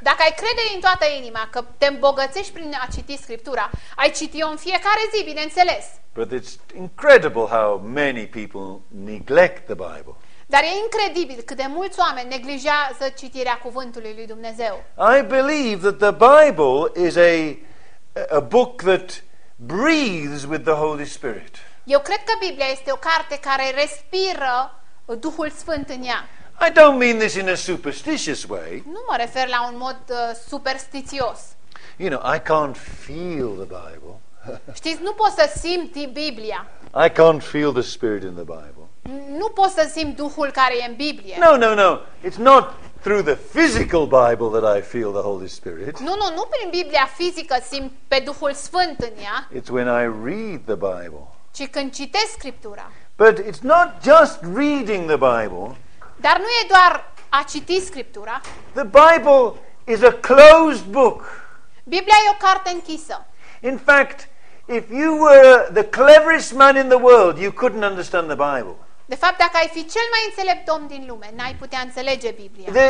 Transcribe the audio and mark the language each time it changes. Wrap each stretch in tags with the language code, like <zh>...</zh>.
<ro>Dacă ai crede din toată inima că te îmbogățești prin a citi Scriptura, ai citi-o în fiecare zi, bineînțeles.</ro> <en>But it's incredible how many people neglect the Bible.</en> <ro>Dar e incredibil cât de mulți oameni neglijează citirea cuvântului lui Dumnezeu.</ro> <en>I believe that the Bible is a book that breathes with the Holy Spirit.</en> <ro>Eu cred că Biblia este o carte care respiră Duhul Sfânt în ea.</ro> <en>I don't mean this in a superstitious way.</en> <ro>Nu mă refer la un mod superstițios.</ro> <en>You know, I can't feel the Bible.</en> <ro>Știți, nu pot să simt Biblia.</ro> <en>I can't feel the Spirit in the Bible.</en> <ro>Nu pot să simt Duhul care e în Biblie.</ro> <en>No. It's not through the physical Bible that I feel the Holy Spirit.</en> <ro>Nu prin Biblia fizică simt pe Duhul Sfânt în ea.</ro> <en>It's when I read the Bible.</en> <ro>Ci când citesc Scriptura.</ro> <en>But it's not just reading the Bible.</en> <ro>Dar nu e doar a citi Scriptura.</ro> <en>The Bible is a closed book.</en> <ro>Biblia e o carte închisă.</ro> <en>In fact, if you were the cleverest man in the world, you couldn't understand the Bible.</en> <ro>De fapt, dacă ai fi cel mai înțelept om din lume, n-ai putea înțelege Biblia.</ro>